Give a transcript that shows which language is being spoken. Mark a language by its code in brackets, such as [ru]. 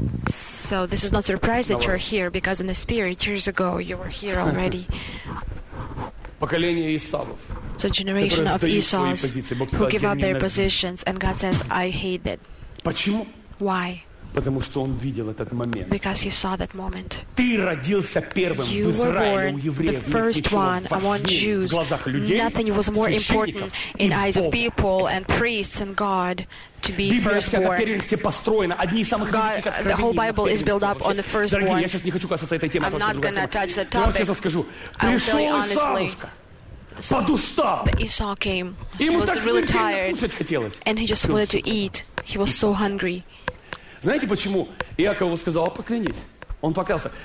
[en] So this is not a surprise that you're here because in the spirit years ago you were here already. [ru] Поколение Исавов. [en] So generation of Esau's who give up their positions and God says I hate it. [ru] Почему? [en] Why? [ru] Потому что он видел этот момент. [en] Because he saw that moment. [ru] Ты родился первым в Израиле у евреев. [en] The first one among Jews. [ru] Глазах людей. [en] Nothing was more important in eyes of people and priests and God. The whole Bible is built up on the firstborn. [ru] Дорогие, я сейчас не хочу касаться этой темы. [en] I'm not gonna touch the topic. [ru] Я вам честно скажу. Пришел Исаушка. Подустал. [en] But Esau came. He was really tired. And he just wanted to eat. He was so hungry. [ru] Знаете, почему Иаков сказал, поклянись? Он поклялся.